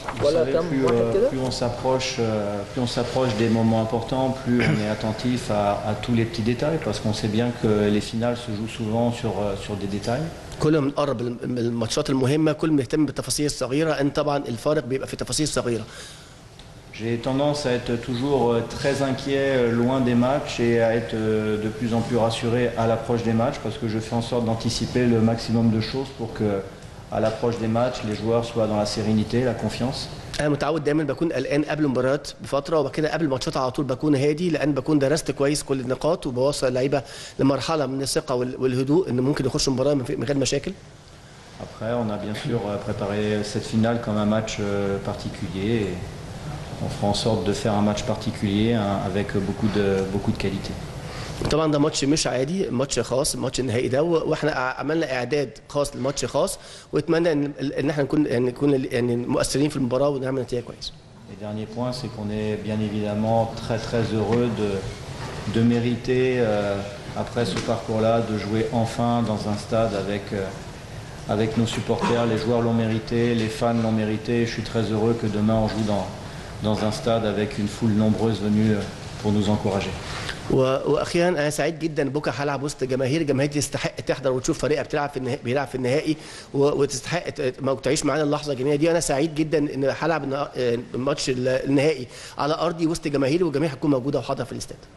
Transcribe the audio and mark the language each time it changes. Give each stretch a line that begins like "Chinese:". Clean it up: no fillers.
French: Plus on s'approche des moments importants, plus on est attentif à tous les petits détails, parce qu'on sait bien que les finales se jouent souvent sur des détails.
Arabic: كل ما نقرب الماتشات المهمة كل ما نهتم بالتفاصيل الصغيرة، أن طبعا الفارق بيبقى في تفاصيل صغيرة.
French: J'ai tendance à être toujours très inquiet loin des matchs et à être de plus en plus rassuré à l'approche des matchs parce que je fais en sorte d'anticiper le maximum de choses pour que à l'approche des matchs les joueurs soient dans la sérénité, la confiance.
Arabic: أنا متعود دايما بكون قلقان قبل المباريات بفترة، وبعد كده قبل الماتشات على طول بكون هادي، لأن بكون درست كويس كل النقاط وبوصل اللعيبة لمرحلة من الثقة والهدوء إن ممكن يخشوا المباراة من غير مشاكل.
French: Après, on a bien sûr préparé cette finale comme un match particulier. On fera en sorte de faire un match particulier avec beaucoup de qualité.
Arabic: طبعا ده ماتش مش عادي، ماتش خاص، ماتش النهائي ده، واحنا عملنا اعداد خاص لماتش خاص، واتمنى ان احنا نكون يعني مؤثرين في المباراه ونعمل نتيجه كويس.
French: Le dernier point c'est qu'on est bien évidemment très très heureux de mériter après ce parcours là de jouer enfin dans un stade avec nos supporters. Les joueurs l'ont mérité, les fans l'ont mérité. Je suis très heureux que demain on joue dans un stade avec une foule nombreuse venue pour nous encourager.
Arabic: واخيرا انا سعيد جدا بكره هلعب وسط جماهير تستحق تحضر وتشوف فريقها بيلعب في النهائي وتستحق موجود تعيش معانا اللحظه الجميله دي. انا سعيد جدا ان هلعب الماتش النهائي على ارضي وسط جماهيري والجميع هتكون موجوده وحاضره في الاستاد.